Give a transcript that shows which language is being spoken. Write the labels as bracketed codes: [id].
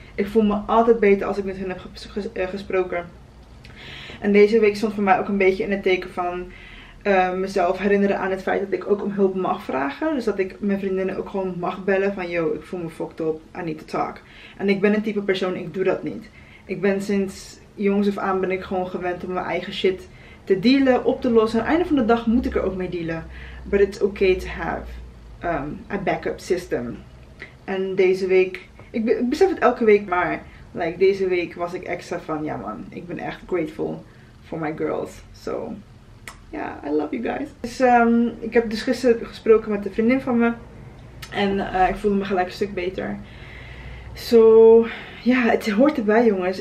[nl] Ik voel me altijd beter als ik met hun heb gesproken. En deze week stond voor mij ook een beetje in het teken van mezelf herinneren aan het feit dat ik ook om hulp mag vragen. Dus dat ik mijn vriendinnen ook gewoon mag bellen van, yo, ik voel me fucked up. [en] I need to talk. [nl] En ik ben een type persoon, ik doe dat niet. Ik ben sinds jongs af aan ben ik gewoon gewend om mijn eigen shit te dealen, op te lossen. Aan het einde van de dag moet ik er ook mee dealen. [en] But it's okay to have a backup system. [nl] En deze week, ik besef het elke week, maar like deze week was ik extra van, ja man, ik ben echt [en] grateful for my girls. So, yeah, I love you guys. [nl] Dus ik heb dus gisteren gesproken met een vriendin van me. En ik voelde me gelijk een stuk beter. So, ja, het hoort erbij, jongens.